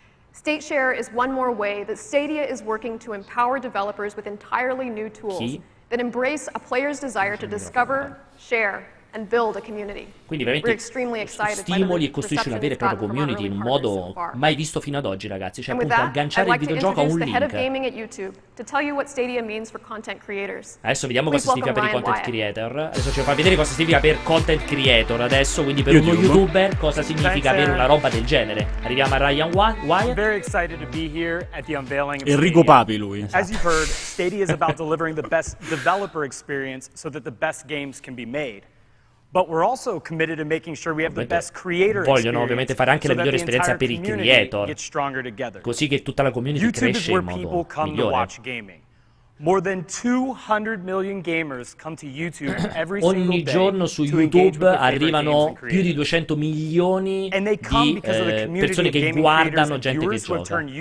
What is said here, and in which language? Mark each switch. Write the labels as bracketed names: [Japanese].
[English] State Share is one more way that Stadia is working to empower developers with entirely new tools that embrace a player's desire to discover, share, and build a community. [Italian] Quindi veramente stimoli e costruisce una vera e propria community in un modo mai visto fino ad oggi, ragazzi. Cioè, appunto, agganciare il videogioco a un link. Adesso vediamo cosa significa per i content creator. Adesso ci fa vedere cosa significa per content creator adesso, quindi per uno YouTuber, cosa significa avere una roba del genere. Arriviamo a Ryan Wyatt. Enrico Papi, lui. [English] As you've heard, Stadia is about delivering the best developer experience so that the best games can be made. But we're also committed to making sure we have the best creator [Italian] vogliono ovviamente fare anche la migliore esperienza per i creator, così che tutta la community YouTube cresce in modo migliore. [English] More than 200 million gamers come to YouTube every single [Italian] ogni giorno su YouTube arrivano più di 200 milioni di persone che guardano gente che gioca.